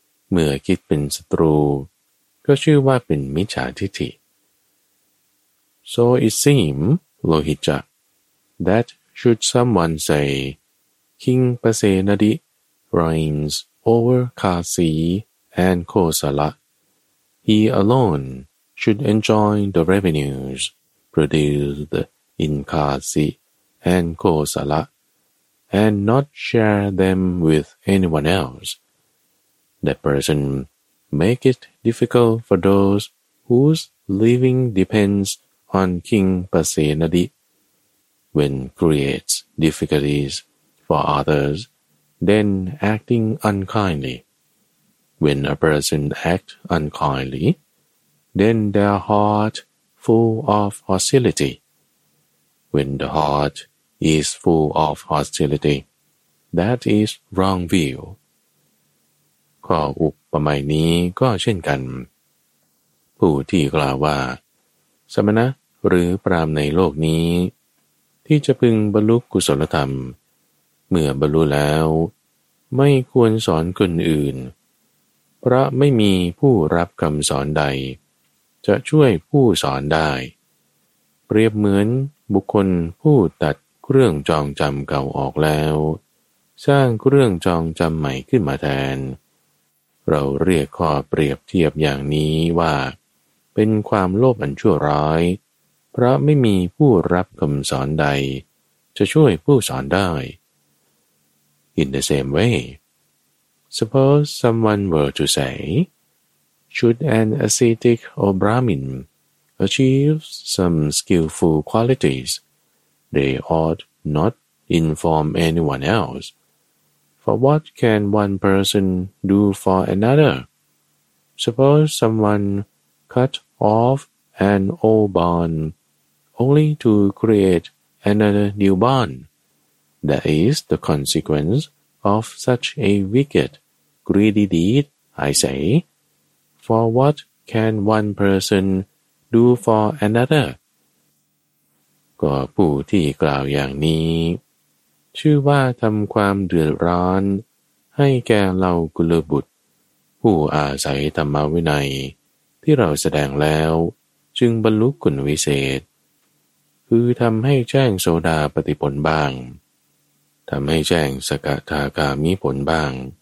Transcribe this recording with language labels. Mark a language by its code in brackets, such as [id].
[th] เมื่อคิดเป็นศัตรูก็ชื่อว่าเป็นมิจฉาทิฏฐิ [en] So it seems, Lohicca, that should someone say, King Pasenadi reigns over Kasi and Kosala, he alone should enjoy the revenues produced in Kasi and Kosala, and not share them with anyone else. That person make it difficult for those whose living depends on King Pasenadi. When creates difficulties for others, then acting unkindly. When a person acts unkindly, then their heart full of hostility. When the heart is full of hostility, that is wrong view. [th] ข้ออุปมานี้ก็เช่นกันผู้ที่กล่าวว่าสมณะหรือพราหมณ์ในโลกนี้ที่จะพึงบรรลุกุศลธรรมเมื่อบรรลุแล้วไม่ควรสอนคนอื่นเพราะไม่มีผู้รับคำสอนใดจะช่วยผู้สอนได้ เปรียบเหมือนบุคคลผู้ตัดเครื่องจองจำเก่าออกแล้วสร้างเครื่องจองจำใหม่ขึ้นมาแทน เราเรียกข้อเปรียบเทียบอย่างนี้ว่าเป็นความโลภอันชั่วร้ายเพราะไม่มีผู้รับคำสอนใดจะช่วยผู้สอนได้ [en] In the same way, suppose someone were to say, should an ascetic or Brahmin achieve some skillful qualities, they ought not inform anyone else. For what can one person do for another? Suppose someone cut off an old bone,only to create another new bond. That is the consequence of such a wicked, greedy deed, I say. For what can one person do for another? [th] ก็ผู้ที่กล่าวอย่างนี้ชื่อว่าทำความเดือดร้อนให้แก่เรากุลบุตรผู้อาศัยธรรมวินัยที่เราแสดงแล้วจึงบรรลุคุณวิเศษคือทำให้แจ้งโสดาปัตติผลบ้างทำให้แจ้งสกทาคามิผลบ้าง